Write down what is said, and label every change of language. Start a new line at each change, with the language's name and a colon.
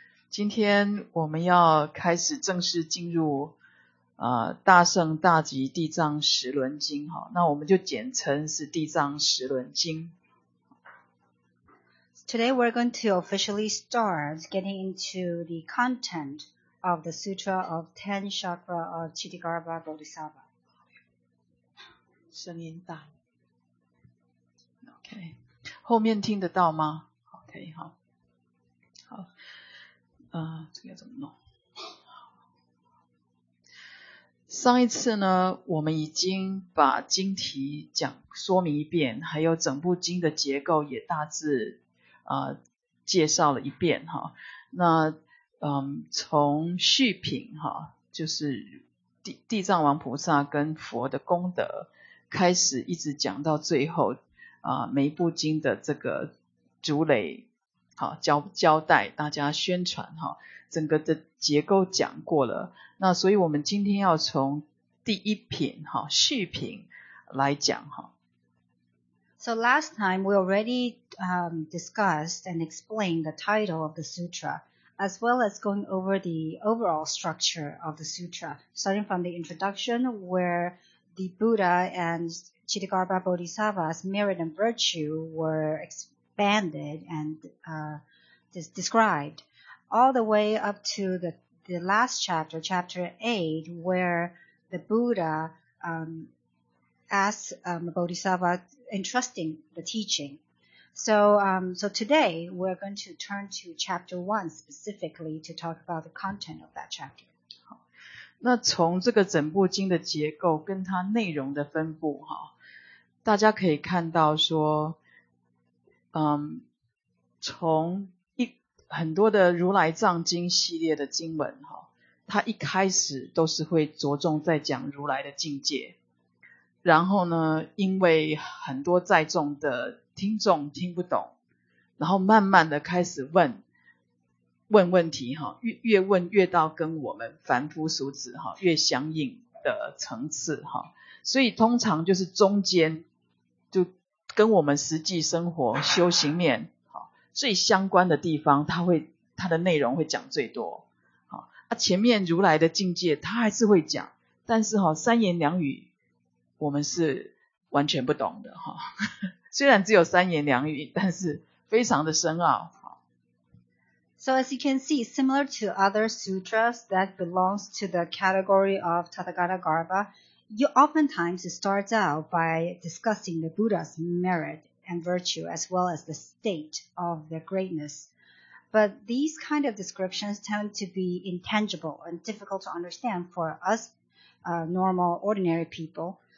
Chinese: 今天我们要开始正式进入大圣大吉地藏十轮经，那我们就简称是地藏十轮经。
English: Today we're going to officially start getting into the content of the Sutra of Ten Chakra of Chittagarbha Bodhisattva.
Chinese: 声音大。Okay. 后面听得到吗 ？OK， 好，好，这个怎么弄？上一次呢，我们已经把经题讲说明一遍，还有整部经的结构也大致介绍了一遍哈。那从序品哈，就是地藏王菩萨跟佛的功德开始，一直讲到最后。每一部经的这个主垒，好交代大家宣传哈，整个的结构讲过了。那所以我们今天要从第一品哈序品来讲哈。
English: So last time we already discussed and explained the title of the sutra, as well as going over the overall structure of the sutra, starting from the introduction where the Buddha andChittagarbha Bodhisattva's merit and virtue were expanded and described all the way up to the last chapter, chapter 8, where the Buddha asked Bodhisattva entrusting the teaching. So today we're going to turn to chapter 1 specifically to talk about the content of that chapter.
Chinese: 那从这个整部经的结构跟它内容的分布哈，大家可以看到说，从很多的如来藏经系列的经文哈，它一开始都是会着重在讲如来的境界，然后呢，因为很多在众的听众听不懂，然后慢慢的开始问问题，越问越到跟我们凡夫俗子越相应的层次，所以通常就是中间就跟我们实际生活修行面最相关的地方，它的内容会讲最多。前面如来的境界它还是会讲，但是三言两语我们是完全不懂的，虽然只有三言两语，但是非常的深奥。
English: So as you can see, similar to other sutras that belongs to the category of Tathagatagarbha, you oftentimes start out by discussing the Buddha's merit and virtue as well as the state of their greatness. But these kind of descriptions tend to be intangible and difficult to understand for us, normal, ordinary people.